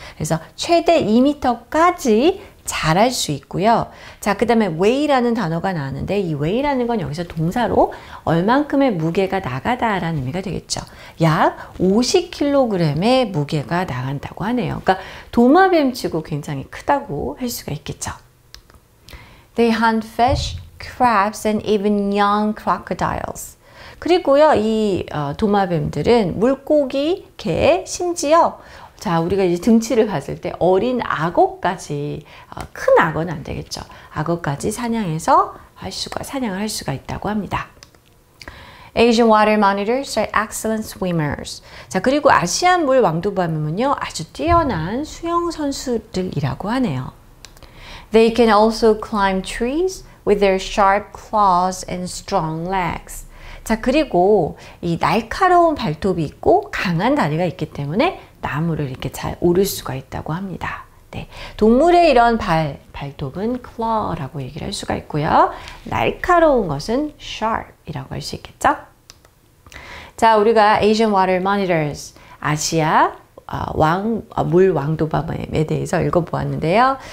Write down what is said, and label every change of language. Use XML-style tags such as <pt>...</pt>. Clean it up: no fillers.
<ko>그래서 최대 2m까지 자랄 수 있고요. 자, 그다음에 weigh라는 단어가 나왔는데 이 weigh라는 건 여기서 동사로 얼만큼의 무게가 나가다라는 의미가 되겠죠. 약 50kg의 무게가 나간다고 하네요. 그러니까 도마뱀치고 굉장히 크다고 할 수가 있겠죠.</ko> <en>They hunt fish, crabs and even young crocodiles.</en> <ko>그리고요, 이 도마뱀들은 물고기, 개, 심지어 자 우리가 이제 등치를 봤을 때 어린 악어까지 큰 악어는 안 되겠죠. 악어까지 사냥을 할 수가 있다고 합니다.</ko> <en>Asian water monitors are excellent swimmers.</en> <ko>자 그리고 아시안 물 왕도마뱀은요 아주 뛰어난 수영 선수들이라고 하네요.</ko> <en>They can also climb trees with their sharp claws and strong legs.</en> <ko>자, 그리고 이 날카로운 발톱이 있고 강한 다리가 있기 때문에 나무를 이렇게 잘 오를 수가 있다고 합니다. 네. 동물의 이런 발톱은 claw라고 얘기를 할 수가 있고요. 날카로운 것은 sharp이라고 할수 있겠죠? 자, 우리가 Asian water monitors, 아시아 물 왕도마뱀에 대해서 읽어보았는데요.</ko>